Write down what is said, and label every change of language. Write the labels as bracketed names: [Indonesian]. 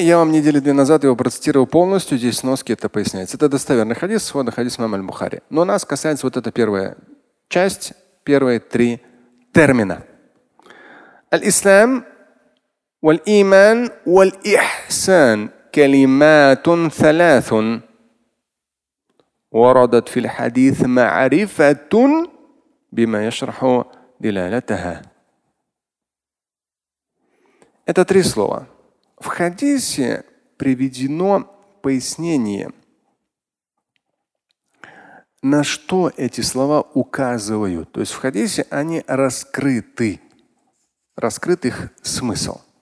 [Russian] Я вам недели две назад его процитировал полностью. Здесь сноски это поясняется. Это достоверный хадис, сводный хадис имама аль-Бухари. Но нас касается вот эта первая часть, первые три термина. Аль-Ислам, валь-Иман, валь-Ихсан. [Arabic] كلمات ثلاث وردت في الحديث معرفة بما يشرح دلالتها. [Russian] Это три слова. В хадисе приведено пояснение, на что эти слова указывают. То есть в хадисе они раскрыты, раскрыт их смысл.